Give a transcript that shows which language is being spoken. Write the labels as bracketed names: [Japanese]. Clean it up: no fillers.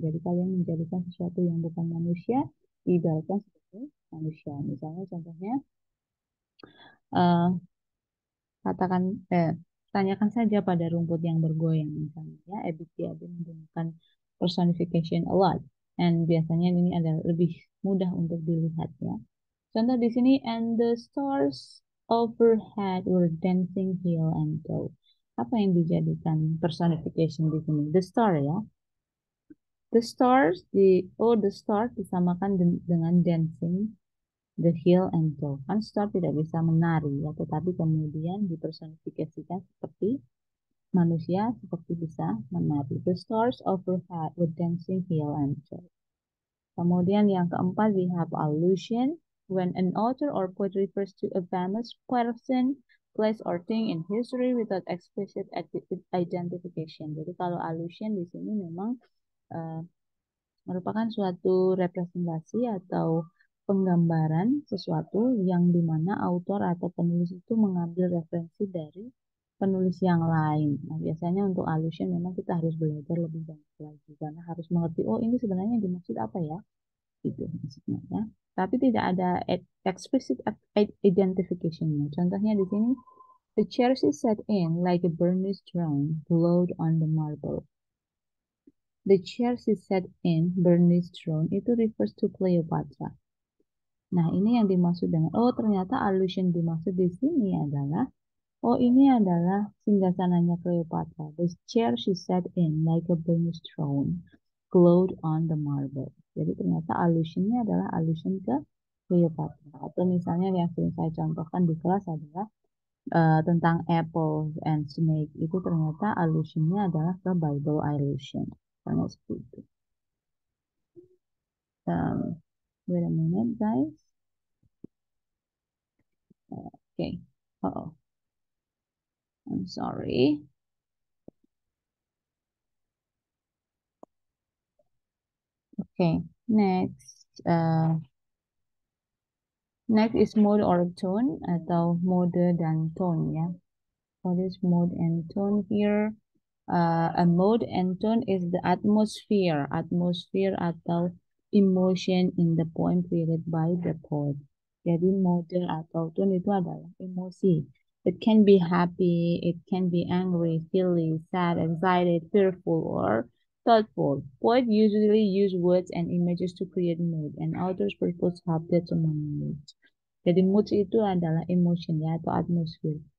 [Indonesian] Jadi kalian menjadikan sesuatu yang bukan manusia, diibaratkan seperti manusia. Misalnya contohnya, katakan tanyakan saja pada rumput yang bergoyang misalnya ya, Ebit Ade menggunakan personification a lot and biasanya ini adalah lebih mudah untuk dilihatnya. Contoh di sini [English] and the stars overhead were dancing hill and dale. [Indonesian] Apa yang dijadikan personification di sini? The star ya. [English] The stars di oh the star disamakan dengan dancing the hill and dale. [Indonesian] Kan star tidak bisa menari ya, tetapi kemudian dipersonifikasikan seperti manusia seperti bisa menari. [English] The stars overhead were dancing hill and dale. [Indonesian] Kemudian yang keempat [English] we have allusion. When an author or poet refers to a famous person, place or thing in history without explicit identification. [Indonesian] Jadi kalau allusion di sini memang merupakan suatu representasi atau penggambaran sesuatu yang dimana autor atau penulis itu mengambil referensi dari penulis yang lain. Nah, biasanya untuk allusion memang kita harus belajar lebih banyak lagi karena harus mengerti, oh ini sebenarnya yang dimaksud apa ya? Itu maksudnya ya. Tapi tidak ada explicit identification-nya. Contohnya di sini, [English] the chairs is set in like a burnished bronze glowed on the marble. The chairs is set in burnished bronze itu refers to Cleopatra. [Indonesian] Nah, ini yang dimaksud dengan oh ternyata allusion dimaksud di sini adalah oh ini adalah singgasananya Cleopatra. [English] The chair she sat in like a burnished throne glowed on the marble. [Indonesian] Jadi ternyata allusionnya adalah allusion ke Cleopatra. Atau misalnya yang sering saya contohkan di kelas adalah tentang apple and snake itu ternyata allusionnya adalah ke Bible allusion. Karena seperti itu. [English] Wait a minute, guys. Okay. Uh-oh. I'm sorry. Okay, next. Next is mode or tone, [Indonesian] atau mode dan tone, ya. [English] What is mode and tone here? A mode and tone is the atmosphere atau emotion in the poem created by the poet. [Indonesian] Jadi mode atau tone itu adalah emosi. [English] It can be happy, it can be angry, silly, sad, excited, fearful, or thoughtful. Poets usually use words and images to create mood, and authors purpose have that among mood. [Indonesian] Jadi mood itu adalah emotion ya, atau atmosphere.